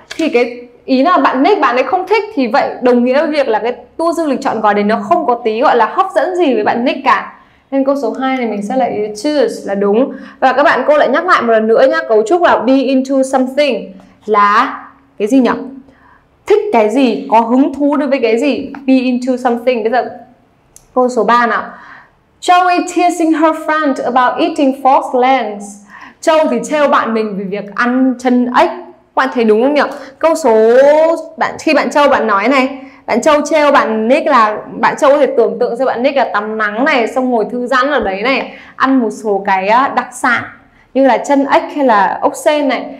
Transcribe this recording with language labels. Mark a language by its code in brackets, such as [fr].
[vi] Thì cái ý là bạn Nick bạn ấy không thích, thì vậy đồng nghĩa với việc là cái tour du lịch chọn gói đấy nó không có tí gọi là hấp dẫn gì với bạn Nick cả. Nên câu số 2 này mình sẽ là choose là đúng. Và các bạn, cô lại nhắc lại một lần nữa nhá, cấu trúc là be into something là cái gì nhỉ? Thích cái gì, có hứng thú đối với cái gì, [en] be into something. [vi] Bây giờ câu số 3 nào. [en] Joey teasing her friend about eating fox legs. [vi] Châu thì trêu bạn mình về việc ăn chân ếch. Bạn thấy đúng không nhỉ? Câu số bạn, khi bạn Châu bạn nói này, Bạn Châu trêu bạn Nick là bạn Châu có thể tưởng tượng ra bạn Nick là tắm nắng này, xong ngồi thư giãn ở đấy này, ăn một số cái đặc sản như là chân ếch hay là ốc sên này.